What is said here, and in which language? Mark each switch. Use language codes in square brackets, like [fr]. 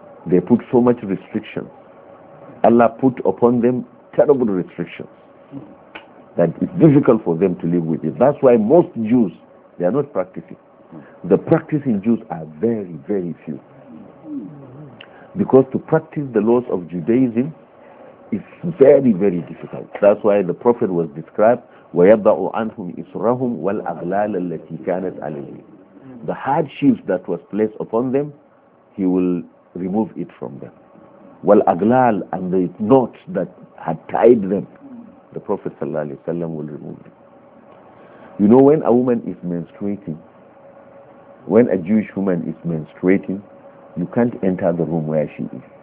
[en] They put so much restriction. Allah put upon them terrible restrictions that it's difficult for them to live with it. That's why most Jews, they are not practicing. The practicing Jews are very, very few. Because to practice the laws of Judaism is very, very difficult. That's why the Prophet was described, [ar] وَيَضَعُ عَنْهُمْ إِسْرَهُمْ وَالْأَغْلَالَ الَّتِي كَانَتْ عَلَيْهِمْ. [en] The hardships that was placed upon them, he will remove it from them. وَالْأَغْلَالَ, and the knots that had tied them, the Prophet sallallahu alayhi wa sallam will remove them. You know, when a woman is menstruating, when a Jewish woman is menstruating, you can't enter the room where she is.